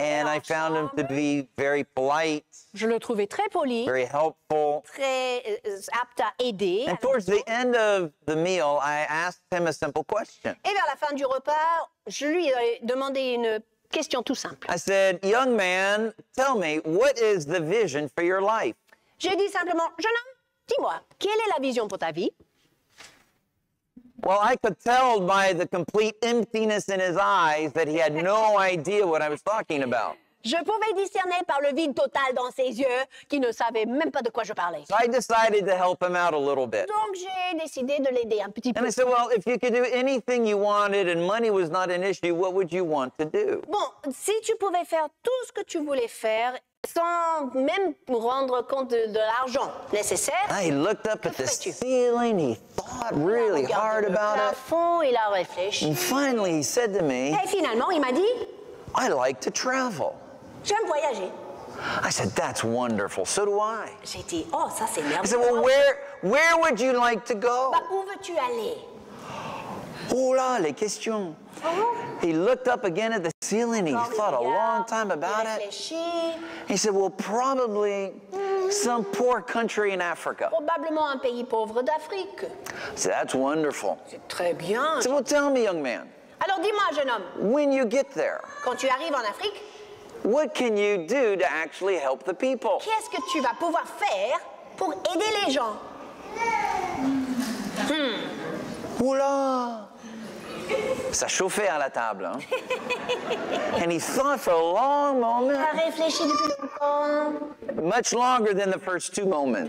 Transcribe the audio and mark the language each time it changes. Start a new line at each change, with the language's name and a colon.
English: And I found him to be very polite.
French: Je le trouvais très poli.
English: Very helpful.
French: Très apte à aider.
English: And towards the end of the meal, I asked him a simple question.
French: Et vers la fin du repas, je lui ai demandé une question tout simple.
English: I said, young man, tell me, what is the vision for your life?
French: J'ai dit simplement, jeune homme, dis-moi, quelle est la vision pour ta vie?
English: Well, I could tell by the complete emptiness in his eyes that he had no idea what I was talking about.
French: Je pouvais discerner par le vide total dans ses yeux qu'il ne savait même pas de quoi je parlais.
English: So I decided to help him out a little bit.
French: Donc j'ai décidé de l'aider un petit peu.
English: And I said, well, if you could do anything you wanted and money was not an issue, what would you want to do?
French: Bon, si tu pouvais faire tout ce que tu voulais faire sans même rendre compte de l'argent nécessaire.
English: He looked up at the ceiling. He thought really hard about it.
French: Au fond, il a réfléchi.
English: And finally, he said to me.
French: Et finalement, il m'a dit.
English: I like to travel.
French: J'aime voyager.
English: I said, that's wonderful. So do I.
French: J'ai dit, oh, ça c'est merveilleux.
English: I said, well, where would you like to go?
French: Bah, où veux-tu aller? Oh là, les questions.
English: He looked up again at the ceiling. He thought a long time about it. He said, well, probably some poor country in Africa.
French: Probablement un pays pauvre d'Afrique.
English: I said, that's wonderful.
French: C'est très bien.
English: He said, well, tell me, young man.
French: Alors dis-moi, jeune homme.
English: When you get there.
French: Quand tu arrives en Afrique.
English: What can you do to actually help the people?
French: Qu'est-ce que tu vas pouvoir faire pour aider les gens? Oula! Ça chauffait à la table, hein?
English: And he thought for a long moment.
French: Il a réfléchi depuis longtemps.
English: Much longer than the first two moments.